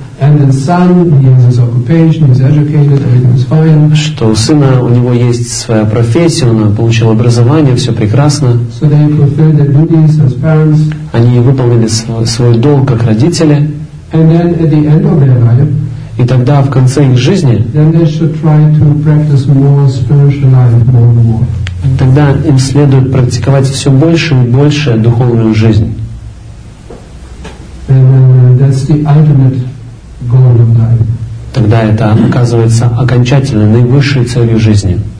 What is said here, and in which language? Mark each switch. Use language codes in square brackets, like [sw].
[en] And the son, he has his occupation, he's educated, everything's fine. [ru] Что у сына, у него есть своя профессия, он получил образование, все прекрасно. [en] So they fulfill their duties as parents. [ru] Они выполнили свой долг как родители. [en] And then at the end of their life. [ru] И тогда в конце их жизни. [en] Then they should try to practice more spiritual life, more and more. [ru] Тогда им следует практиковать все больше и больше духовную жизнь. [en] That's the ultimate goal of life. [ru] Тогда это оказывается окончательной, наивысшей целью жизни.